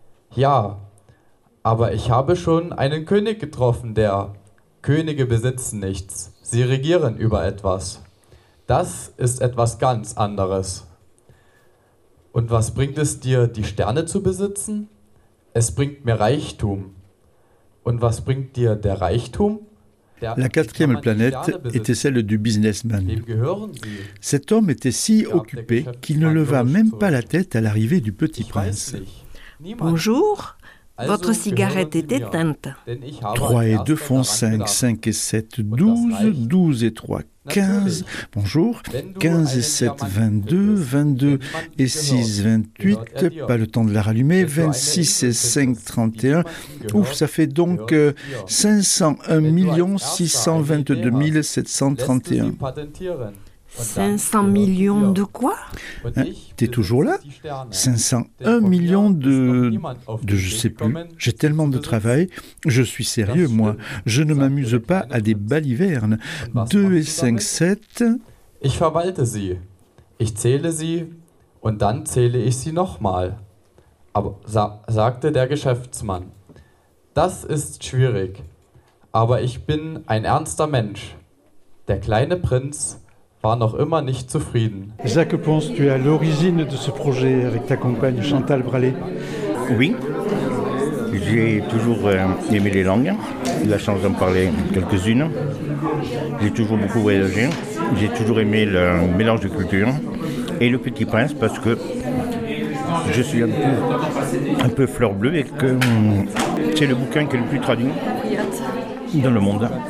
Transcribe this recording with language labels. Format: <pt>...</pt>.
<de>Ja, aber ich habe schon einen König getroffen, der... Könige besitzen nichts. Sie regieren über etwas. Das ist etwas ganz anderes. Und was bringt es dir, die Sterne zu besitzen? Es bringt mir Reichtum. Und was bringt dir der Reichtum?</de> <fr>La quatrième planète était celle du businessman. Cet homme était si occupé qu'il ne leva même pas la tête à l'arrivée du petit prince. Bonjour, Votre cigarette est éteinte. 3 et 2 font 5, 5 et 7, 12, 12 et 3, 15, bonjour, 15 et 7, 22, 22 et 6, 28, pas le temps de la rallumer, 26 et 5, 31, ouf, ça fait donc 501 622 731. 500 millions de quoi ? T'es toujours là ? 501 millions de je sais plus. J'ai tellement de travail. Je suis sérieux, moi. Je ne m'amuse pas à des balivernes. 2 et 5, 7.</fr> <de>Ich verwalte sie. Ich zähle sie. Und dann zähle ich sie nochmal. Aber sagte der Geschäftsmann. Das ist schwierig. Aber ich bin ein ernster Mensch. Der kleine Prinz war noch immer nicht zufrieden.</de> <fr>Jacques Pons, tu es à l'origine de ce projet avec ta compagne Chantal Bralet. Oui, j'ai toujours aimé les langues, la chance d'en parler quelques-unes. J'ai toujours beaucoup voyagé, j'ai toujours aimé le mélange de cultures et le Petit Prince parce que je suis un peu fleur bleue et que c'est le bouquin qui est le plus traduit dans le monde.</fr>